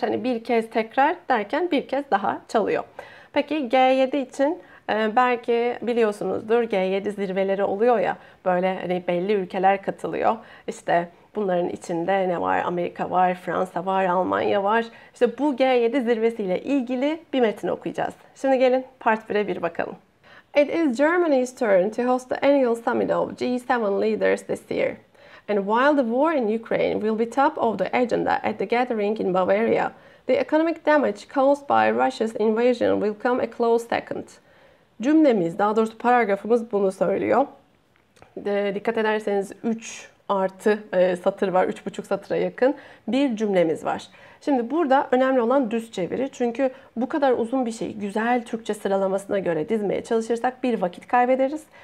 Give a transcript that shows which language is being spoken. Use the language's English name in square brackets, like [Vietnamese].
[Turkish] Hani bir kez tekrar derken bir kez daha çalıyor. Peki G7 için belki biliyorsunuzdur G7 zirveleri oluyor ya. Böyle hani belli ülkeler katılıyor. İşte bunların içinde ne var? Amerika var, Fransa var, Almanya var. İşte bu G7 zirvesiyle ilgili bir metin okuyacağız. Şimdi gelin part 1'e bir bakalım. [English] It is Germany's turn to host the annual summit of G7 leaders this year. And while the war in Ukraine will be top of the agenda at the gathering in Bavaria, the economic damage caused by Russia's invasion will come a close second. [Turkish] Cümlemiz, daha doğrusu paragrafımız bunu söylüyor. Dikkat ederseniz 3 artı satır var, 3,5 satıra yakın bir cümlemiz var. Şimdi burada önemli olan düz çeviri. Çünkü bu kadar uzun bir şeyi güzel Türkçe sıralamasına göre dizmeye çalışırsak bir vakit kaybederiz.